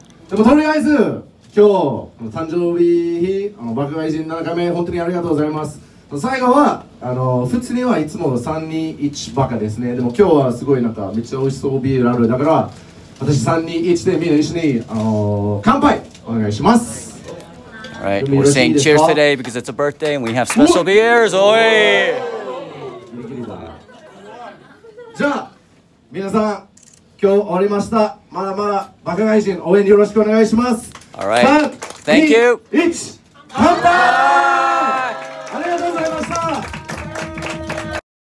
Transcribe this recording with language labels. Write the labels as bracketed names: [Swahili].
[Japanese] でもとりあえず今日、誕生日日、あの爆買い人7回目、本当にありがとうございます。最後は、あの普通にはいつも3、2、1バカですね。でも今日はすごいなんか、めっちゃ美味しそうビールある。だから、私3、2、1でみんな一緒に、乾杯お願いします。 [English] All right, we're saying cheers today because it's a birthday and we have special beers, oi! [Japanese] じゃあ、皆さん、今日終わりました。まだまだ爆買い人、応援よろしくお願いします。 [English] All right. Thank you. It's Hamba. [Japanese] ありがとうございました。